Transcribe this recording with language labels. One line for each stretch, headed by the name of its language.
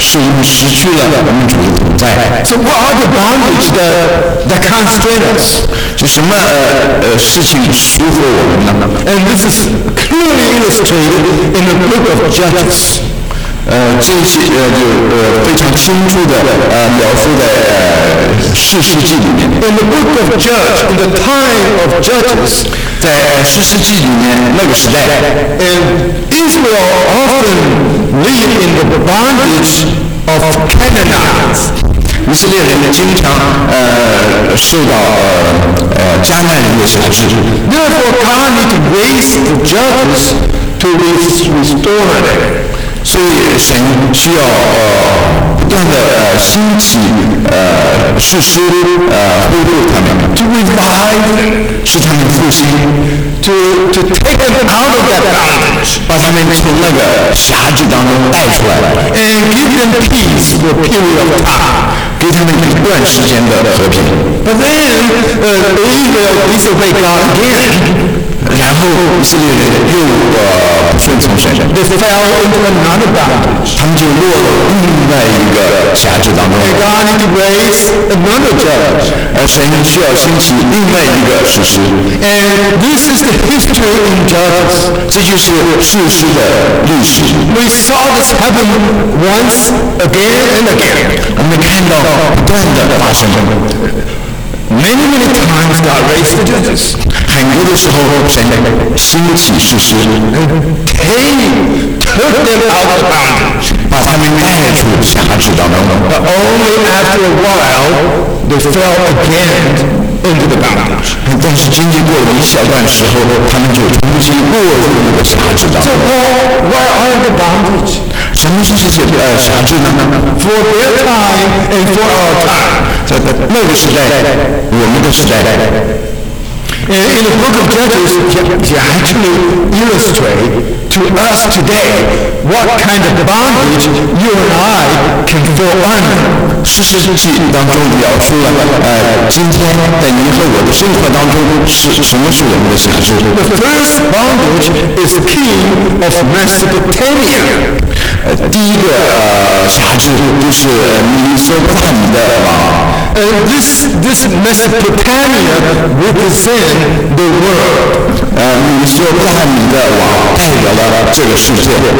Chinese: 是我们失去了我们主的同在。
English: So what are the bondage that constrain us?
Chinese: 就什么事情束缚我们呢？
English: And this is clearly illustrated in the book of Judges.
Chinese: 这些非常清楚的描述在士师记里面。
English: In the book of Judges, in the time of Judges.
Chinese: 在士师记里面那个时代。
English: And Israel often. Live in the bondage of Canaanites.
Chinese: 以色列人经常受到迦南人的辖制。
English: Therefore, God needs grace to judges to restore them.
Chinese: 所以神需要不断的兴起士师恢复他们。
English: To revive,
Chinese: 使他们复兴。
English: To take them out of that bondage.
Chinese: 把他们从那个辖制当中带出来。
English: And give them peace for a period of time.
Chinese: 给他们一段时间的和平。
English: But then, Israel is
Chinese: 就被杀了。然后以色列人又顺从神，对，所以非要用这个拿着杆，他们就落入另外一个辖制当中。
English: God has raised another judge，
Chinese: 而神需要兴起另外一个士师。
English: And this is the history of judges，
Chinese: 这就是士师的历史。
English: We saw this happen once again and again，
Chinese: 我们看到不断的发生。
English: Many many times God raised the judges。
Chinese: 很多的时候，神兴起士师
English: ，came took them out of bounds，
Chinese: 把他们带出辖制当中。
English: But only after a while they fell again into the bounds。
Chinese: 但是经历过一小段时候，他们就重新落入那个辖制当中。
English: So where are the bounds？
Chinese: 什么是这些辖制呢
English: ？For their time and for our time，
Chinese: 在那个时代，我们的时代。
English: And in the book of Judges, he actually illustrates to us today what kind of bondage you and I can go under.
Chinese: 士师记当中描述了，今天在你和我的生活当中是什么是我们的辖制。
English: The first bondage is the king of Mesopotamia.
Chinese: 第一个辖制就是米索不达米的王。
English: And this Mesopotamia represents the world.
Chinese: 米索不达米的王代表了这个世界。